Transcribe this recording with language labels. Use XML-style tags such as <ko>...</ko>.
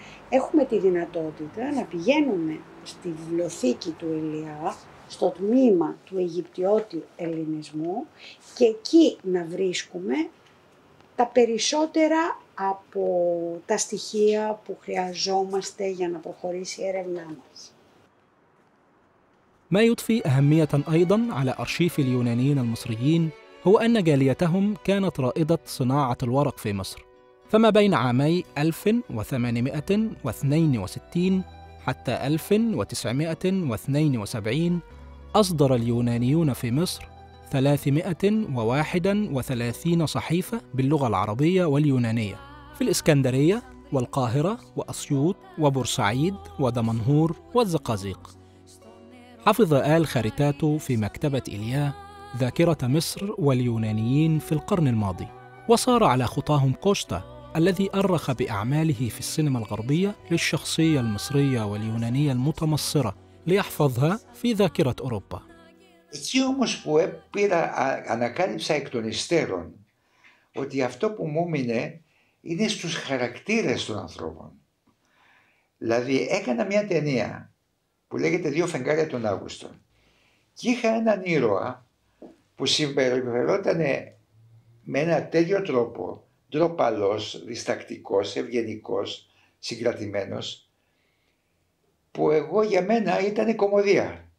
<el>έχουμε τη δυνατότητα να πηγαίνουμε στη βιβλιοθήκη του Ηλιά, στο τμήμα του Αιγυπτιώτη Ελληνισμού και εκεί να βρίσκουμε τα περισσότερα από τα στοιχεία που χρειαζόμαστε για να προχωρήσει η έρευνά μας.</el> <ar>ما يضفي أهمية أيضاً على أرشيف اليونانيين المصريين هو أن جاليتهم كانت رائدة صناعة الورق في مصر. فما بين عامي 1862 حتى 1972 أصدر اليونانيون في مصر 331 صحيفة باللغة العربية واليونانية في الإسكندرية والقاهرة وأسيوط وبورسعيد ودمنهور والزقازيق. حفظ آل خريتاتو في مكتبة إيليا ذاكرة مصر واليونانيين في القرن الماضي وصار على خطاهم كوستا الذي أرخ بأعماله في السينما الغربية للشخصية المصرية واليونانية المتمصرة ليحفظها في ذاكرة أوروبا.</ar> <el>Εκεί όμως που ανακάλυψα εκ των υστέρων ότι αυτό που μου έμεινε είναι στους χαρακτήρες των ανθρώπων. Δηλαδή έκανα μια ταινία που λέγεται «Δύο φεγγάρια τον Αύγουστο». Και είχα έναν ήρωα που συμπεριφερόταν με ένα τέτοιο τρόπο, ντροπαλός, διστακτικός, ευγενικός, συγκρατημένος, που εγώ για μένα ήταν κωμωδία.</el>